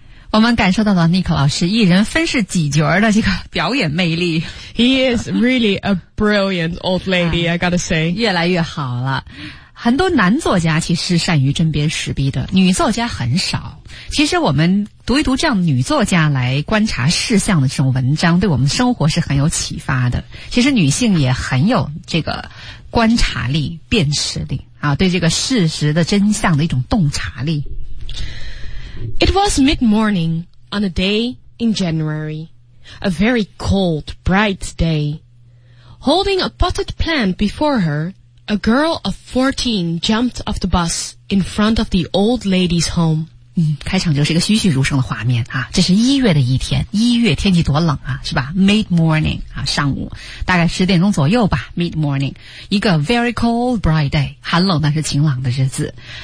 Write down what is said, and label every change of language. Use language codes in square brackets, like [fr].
[zh] 我们感受到了 Nick 老师一人分饰几角的这个表演魅力。 [en] He is really a brilliant old lady, I gotta say. [zh] 越来越好了。很多男作家其实善于针砭时弊的，女作家很少。其实我们读一读这样女作家来观察事项的这种文章，对我们生活是很有启发的。其实女性也很有这个观察力、辨识力啊，对这个事实的真相的一种洞察力。 [en] It was mid-morning on a day in January, a very cold, bright day. Holding a potted plant before her, a girl of 14 jumped off the bus in front of the old lady's home. [zh] 开场就是一个栩栩如生的画面啊，这是一月的一天，一月天气多冷啊，是吧 ？Mid-morning 啊，上午大概十点钟左右吧 ，mid-morning， 一个 [en] very cold, bright day， [zh] 寒冷但是晴朗的日子。